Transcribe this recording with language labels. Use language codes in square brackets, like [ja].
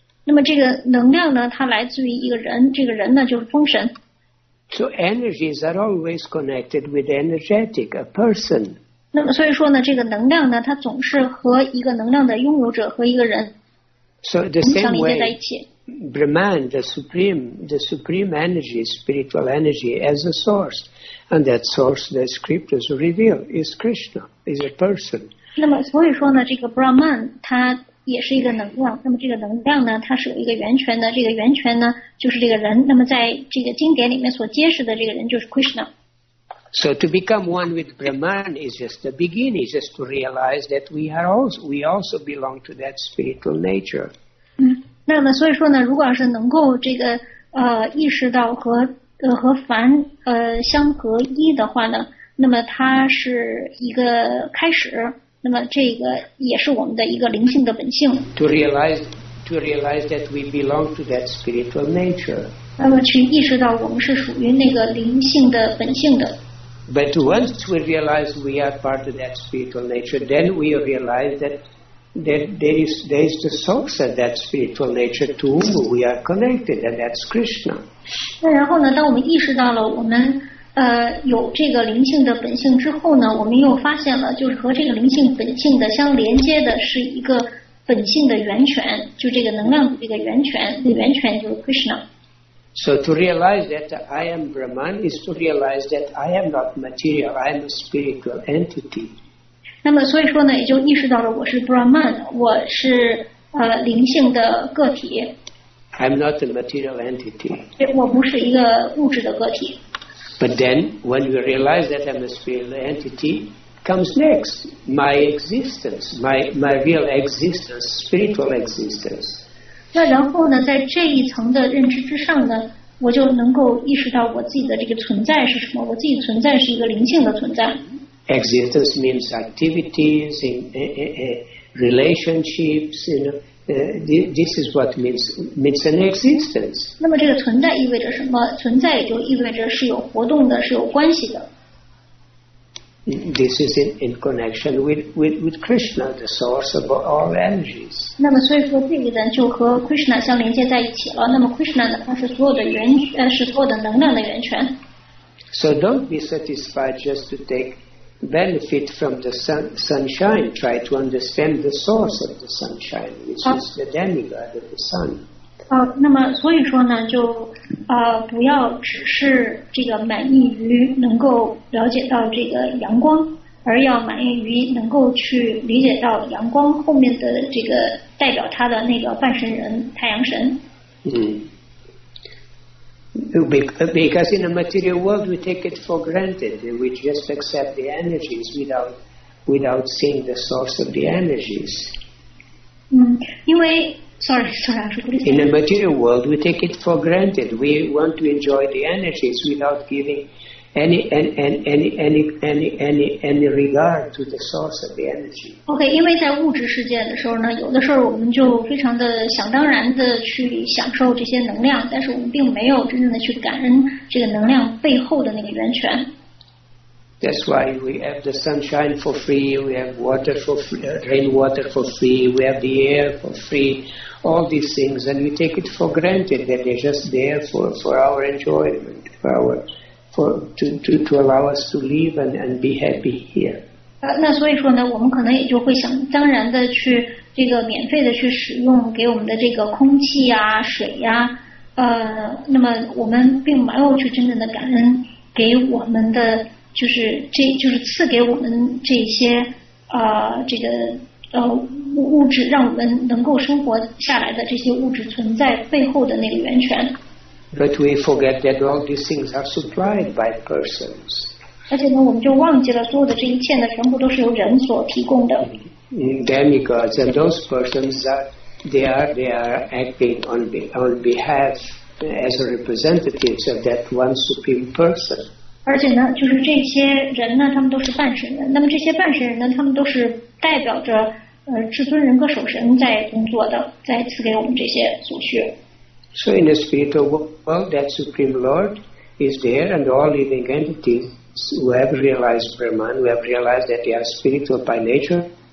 [zh] 那么这个能量呢，它来自于一个人，这个人呢就是风神。 [en] So energies are always connected with energetic, a person. [zh] 那么所以说呢，这个能量呢，它总是和一个能量的拥有者和一个人。 [en] So the same way, Brahman, the supreme energy, spiritual energy as a source, and that source the scriptures reveal is Krishna, is a person. [zh] 那么所以说呢，这个 Brahman 它也是一个能量，那么这个能量呢，它是有一个源泉的，这个源泉呢就是这个人，那么在这个经典里面所揭示的这个人就是 Krishna。 [en] So to become one with Brahman is just the beginning, just to realize that we also belong to that spiritual nature。 [zh] 那么所以说呢，如果要是能够这个意识到和凡相合一的话呢，那么它是一个开始，那么这个也是我们的一个灵性的本性。 [en] To realize that we belong to that spiritual nature. [zh] 那么去意识到我们是属于那个灵性的本性的。 [en] But once we realize we are part of that spiritual nature, then we realize that there is the source of that spiritual nature to whom we are connected, and that's Krishna. [zh] 那然后呢？当我们意识到了我们有这个灵性的本性之后呢，我们又发现了，就是和这个灵性本性的相连接的是一个本性的源泉，就这个能量的这个源泉，这源泉就是 Krishna。 [en] So to realize that I am Brahman is to realize that I am not material, I am a spiritual entity. [zh] 那么所以说呢，也就意识到了我是 Brahman, 我是灵性的个体。 [en] I'm not a material entity. [zh] 我不是一个物质的个体。 [en] But then, when we realize that I'm a spiritual entity, comes next, my existence, my real existence, spiritual existence. [zh] 那然后呢，在这一层的认知之上呢，我就能够意识到我自己的这个存在是什么。我自己存在是一个灵性的存在。 [en] Existence means activities, in relationships, you know. This is what means an existence. [zh] 那么这个存在意味着什么？存在也就意味着是有活动的，是有关系的。 [en] This is in connection with Krishna, the source of all energies. [zh] 那么所以说这个人就和 Krishna 相连接在一起了。那么 Krishna 呢，它是所有的源，是所有的能量的源泉。 [en] So don't be satisfied just to take benefit from the sunshine. Try to understand the source of the sunshine, which is the demigod of the sun. [zh] 那么所以说呢，就不要只是这个满意于能够了解到这个阳光，而要满意于能够去理解到阳光后面的这个代表它的那个半神人太阳神。 [en] Because in a material world we take it for granted, we just accept the energies without seeing the source of the energies. In a material world we take it for granted, we want to enjoy the energies without giving any regard to the source of the energy. [zh] Okay, 因为在物质世界的时候呢，有的时候我们就非常的想当然的去享受这些能量，但是我们并没有真正的去感恩这个能量背后的那个源泉。 [en] That's why we have the sunshine for free, we have water for free, rainwater for free, we have the air for free, all these things, and we take it for granted that they're just there for our enjoyment, for our...to allow us to live and be happy here. [zh] 那所以说呢，我们可能也就会想当然的去这个免费的去使用给我们的这个空气呀、水呀，那么我们并没有去真正的感恩给我们的，就是这就是赐给我们这些这个物质，让我们能够生活下来的这些物质存在背后的那个源泉。 [en] But we forget that all these things are supplied by persons. [zh] 而且呢，我们就忘记了所有的这一切呢，全部都是由人所提供的。 [en] Demigods and those persons are acting on behalf as representatives of that one supreme person. [zh] 而且呢，就是这些人呢，他们都是半神人。那么这些半神人呢，他们都是代表着至尊人格守神在工作的，在赐给我们这些所需。 [en] So in the spiritual world, that Supreme Lord is there, and all living entities who have realized Brahman, who have realized that they are spiritual by nature.